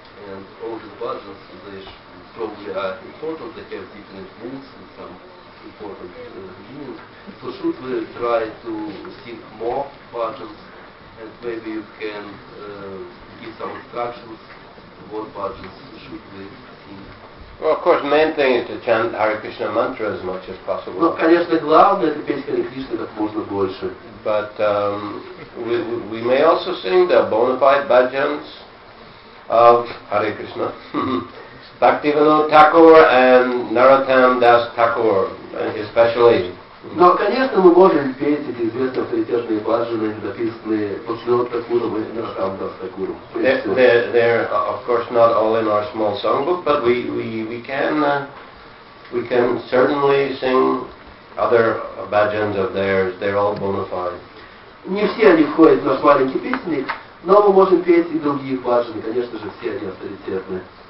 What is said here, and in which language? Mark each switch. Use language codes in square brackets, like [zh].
[en] And all these bhajans, they probably are important, they have different meanings and some important meanings. So should we try to sing more bhajans, and maybe you can give some instructions what bhajans should we sing? Well, of course, the main thing is to chant Hare Krishna mantra as much as possible. [ru] Ну, конечно, главное это петь Хари Кришна как можно больше. [en] But we may also sing the bona fide bhajans of Hare Krishna, Bhaktivinoda Thakur and Narottam Das Thakur, especially. [ru] Ну, конечно, мы можем петь эти известные авторитетные бхаджаны, написанные Бхактивинода Тхакуром и Нарттам Дас Тхакуром. [en] They're of course not all in our small songbook, but we can certainly sing other bhajans of theirs. They're all bona fide. [ru] Не все они входят в наш маленький песенник, но мы можем петь и другие бхаджаны, конечно же, все они авторитетные.